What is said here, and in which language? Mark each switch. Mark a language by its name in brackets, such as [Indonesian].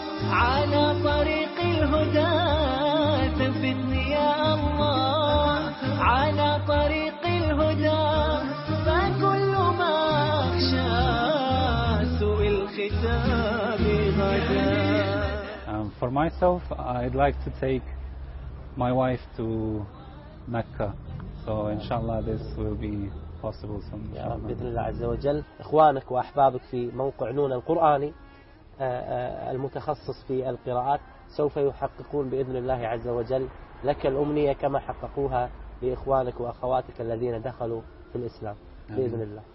[Arabic] على طريق الهدى ثبتني يا الله على طريق الهدى فكل ما أخشى سوء الختام غدا. [English] For myself, I'd like to take my wife to Mecca, so inshallah this will be possible sometime. [Arabic] بإذن الله عز وجل. إخوانك وأحبابك في موقع نون القرآني المتخصص في القراءات سوف يحققون بإذن الله عز وجل لك الأمنية كما حققوها لإخوانك وأخواتك الذين دخلوا في الإسلام بإذن الله.